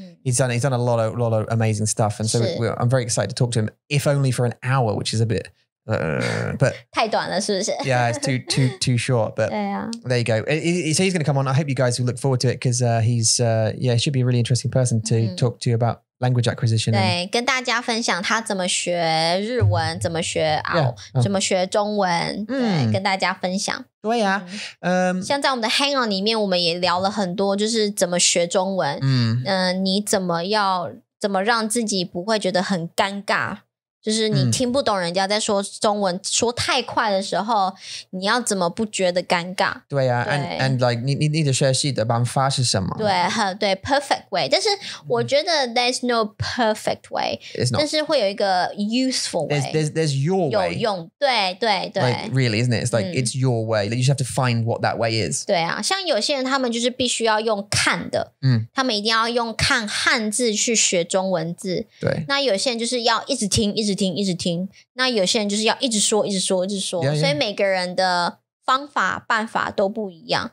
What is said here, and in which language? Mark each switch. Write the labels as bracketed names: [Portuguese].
[English] He's done a lot of amazing stuff. And so I'm very excited to talk to him, if only for an hour, which is a bit... but [Chinese] 太短了是不是 [English] yeah it's too short but [Chinese] 对呀、啊、 [English] there you go so he's going to come on I hope you guys will look forward to it because he's yeah should be a really interesting person to、mm-hmm. talk to you about language acquisition [Chinese] 对 [English] and... [Chinese] 跟大家分享他怎么学日文怎么学 怎么学中文、mm. 对跟大家分享对呀、啊、像在我们的 hang on 里面我们也聊了很多就是怎么学中文、你怎么让自己不会觉得很尴尬就是你听不懂人家在说中文、说太快的时候你要怎么不觉得尴尬对啊对 [English] and like [Chinese] 你的学习的办法是什么对对 [English] perfect way [Chinese] 但是我觉得 [English] there's no perfect way it's not [Chinese] 但是会有一个 [English] useful way there's your way [Chinese] 有用对对对 [English] like, really isn't it it's like it's your way like, you just have to find what that way is [Chinese] 对啊像有些人他们就是必须要用看的、他们一定要用看汉字去学中文字对那有些人就是要一直听一直听，一直听。那有些人就是要一直说，一直说，一直说。 [English] Yeah, yeah. [Chinese] 所以每个人的方法、办法都不一样。